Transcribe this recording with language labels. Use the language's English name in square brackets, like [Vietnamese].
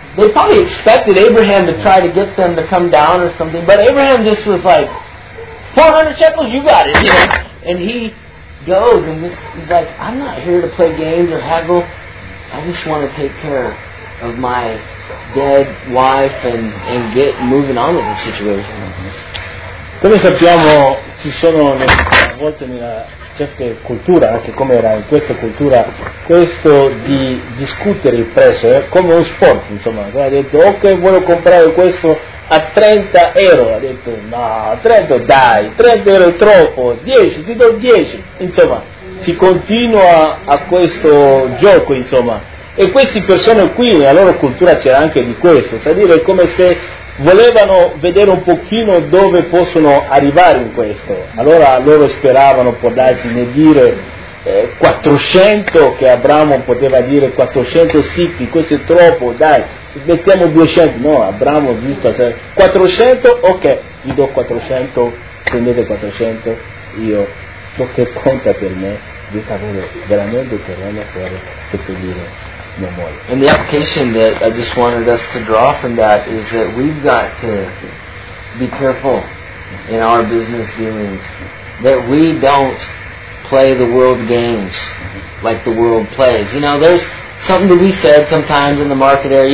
[English] They probably expected Abraham to try to get them to come down or something, but Abraham just was like, 400 shekels, you got it, you know. And he goes and just, he's like, I'm not here to play games or haggle. I just want to take care of my dead wife and get moving on with the situation. [Italian] Come sappiamo, ci sono a volte nella certa cultura, anche come era in questa cultura, questo di discutere il prezzo, come un sport, insomma. Ha detto, ok, voglio comprare questo a 30 euro. Ha detto, no, 30 dai, 30 euro è troppo, 10, ti do 10. Insomma, si continua a questo gioco, insomma. E queste persone qui, nella loro cultura c'era anche di questo, cioè dire, è come se volevano vedere un pochino dove possono arrivare in questo. Allora loro speravano, può darsi, nel dire 400, che Abramo poteva dire 400 sicchi, questo è troppo, dai, mettiamo 200. No, Abramo ha visto, 400, ok, vi do 400, prendete 400, io, ciò che conta per me, vi sapete veramente che non è per seppellire. [English] And the application that I just wanted us to draw from that is that we've got to be careful in our business dealings, that we don't play the world games like the world plays. You know, there's something to be said sometimes in the market area.